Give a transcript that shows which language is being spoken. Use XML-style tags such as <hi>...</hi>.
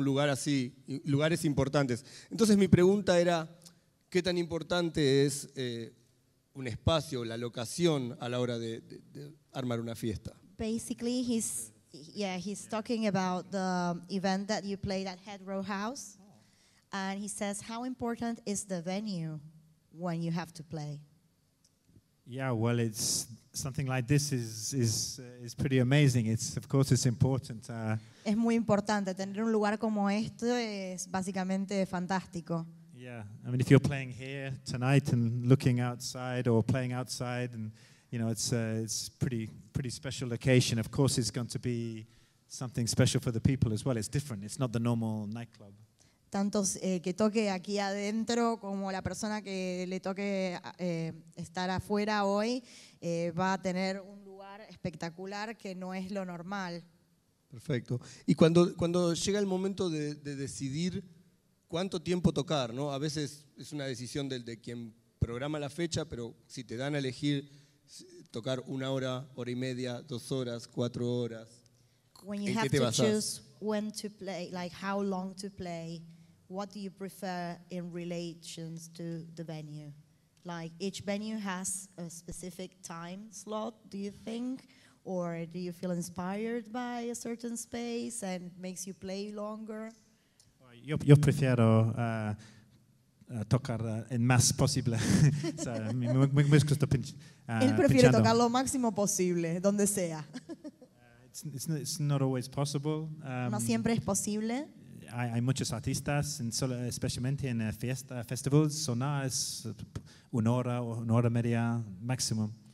<es>Un lugar así, lugares importantes. Entonces mi pregunta era, ¿qué tan importante es un espacio, la locación a la hora de armar una fiesta?</es> <en>Basically, he's talking about the event that you played at Heathrow House. And he says, how important is the venue when you have to play? Yeah, well, it's something like this is pretty amazing. It's important.</en> <es>Es muy importante tener un lugar como este, es básicamente fantástico.</es> <en>Yeah, I mean, if you're playing here tonight and looking outside or playing outside and you know, it's pretty special location. Of course, it's going to be something special for the people as well. It's different. It's not the normal nightclub.</en> <es>Tanto que toque aquí adentro como la persona que le toque estar afuera hoy va a tener un lugar espectacular que no es lo normal. Perfecto. Y cuando llega el momento de decidir cuánto tiempo tocar, ¿no? A veces es una decisión de quien programa la fecha, pero si te dan a elegir tocar una hora, hora y media, 2 horas, 4 horas,</es> <en>when you have to choose when to play, like how long to play, what do you prefer in relation to the venue? Like each venue has a specific time slot, do you think? Or do you feel inspired by a certain space and makes you play longer?</en> <es>Yo prefiero tocar en más posible. Él prefiere tocar lo máximo posible, donde sea.</es> <en>It's not always possible.</en> <es>No siempre es posible. Hay muchos artistas, especialmente en festivals, sonar una hora o una hora media máximo.</es>